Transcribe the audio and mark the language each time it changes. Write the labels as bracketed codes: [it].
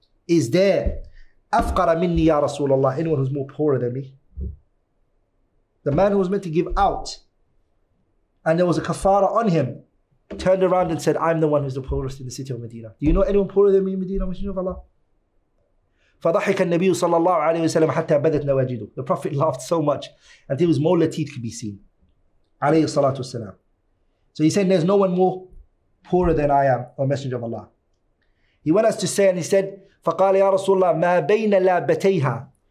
[en] Is there [ar] أَفْقَرَ مِنِّي يَا رَسُولَ اللَّهِ. [en] Anyone who's more poorer than me? The man who was meant to give out and there was a kafara on him turned around and said, I'm the one who's the poorest in the city of Medina. Do you know anyone poorer than me in Medina, Messenger of Allah? [ar] فضحك النبي صلى الله عليه وسلم حتى بدت نواجده. [en] The Prophet laughed so much until his molar teeth could be seen. [ar] عليه الصلاة والسلام. [en] So he said, there's no one more poorer than I am, O Messenger of Allah. He went us to say, and he said, [ar] فقال يا رسول الله ما بين لابتيها.